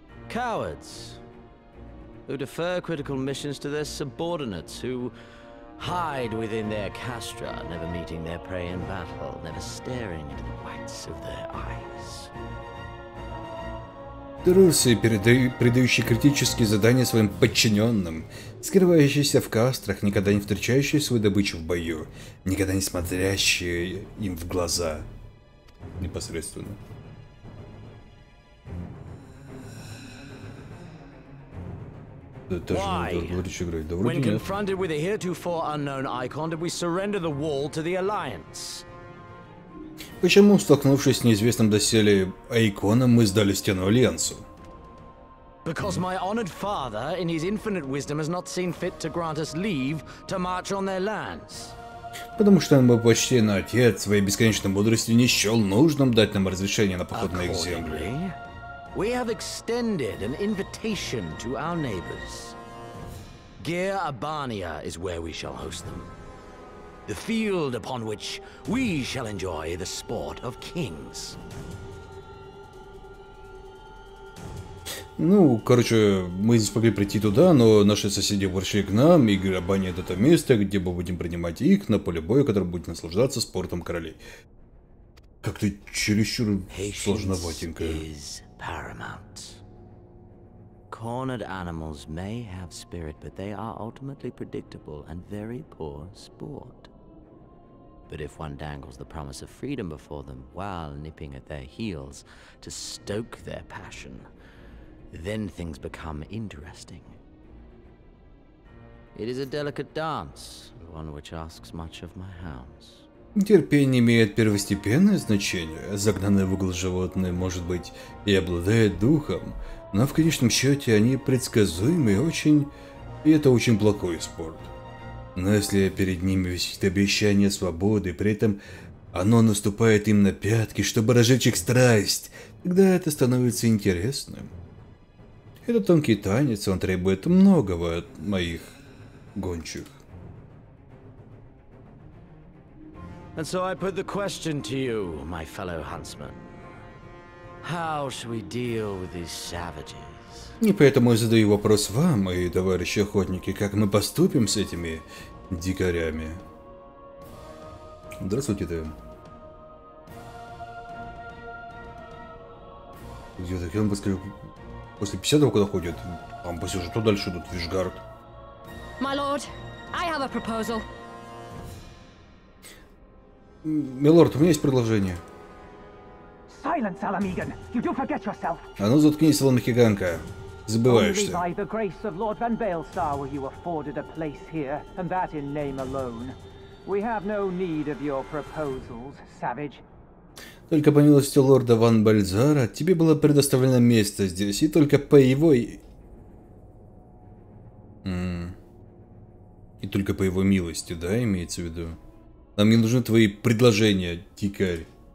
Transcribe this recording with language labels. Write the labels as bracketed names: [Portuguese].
[English] Cowards, who defer critical missions to their subordinates, who hide within their castra, never meeting their prey in battle, never staring into the whites of their eyes. [Russian] Трусы, предающие критические задания своим подчиненным, скрывающиеся в кастрах, никогда не встречающие свою добычу в бою, никогда не смотрящие им в глаза. непосредственно. [English] When confronted with a heretofore unknown icon, did we surrender the wall to the Alliance? [Russian] Почему, столкнувшись с неизвестным доселе иконом, мы сдали стену Альянсу? [English] Because my honored father, in his infinite wisdom, has not seen fit to grant us leave to march on their lands. [Russian] Потому что мой почтенный отец своей бесконечной мудростью не счел нужным дать нам разрешение на поход на их земли. [English] We have extended an invitation to our neighbors. Gir Abania is where we shall host them. The field upon which we shall enjoy the sport of kings. [Russian] Ну, короче, мы не смогли прийти туда, но наши соседи пришли к нам, и Gir Abania — это место, где мы будем принимать их на поле боя, которое будет наслаждаться спортом королей. Как-то чересчур сложноватенько. [English] Paramount. Cornered animals may have spirit, but they are ultimately predictable and very poor sport. But if one dangles the promise of freedom before them while nipping at their heels to stoke their passion, then things become interesting. It is a delicate dance, one which asks much of my hounds. [Russian] Терпение имеет первостепенное значение. Загнанный в угол животное, может быть, и обладает духом, но в конечном счете они предсказуемы очень, и это очень плохой спорт. Но если перед ними висит обещание свободы, при этом оно наступает им на пятки, чтобы разжечь их страсть, тогда это становится интересным. Это тонкий танец, он требует многого от моих гончих. [English] And so I put the question to you, my fellow huntsman. How should we deal with these savages? [Russian] И поэтому я задаю вопрос вам, мои товарищи охотники, как мы поступим с этими дикарями? Здравствуйте, Дэн. Где-то он после 50-го куда ходит? Там посижу, то дальше идут Вишгард. [English] My lord, I have a proposal. [Russian] Милорд, у меня есть предложение. [English] Silence, Alamigan. You do forget yourself. [Russian] А ну заткнись, Аламхиганка. Забываешься. [English] By the grace of Lord Van Baelstar, were you afforded a place here, and that in name alone. We have no need of your proposals, savage. [Russian] Только по милости лорда Ван Бальзара, тебе было предоставлено место здесь, и только по его... И только по его милости, да, имеется в виду? Нам не нужны твои предложения, дикарь.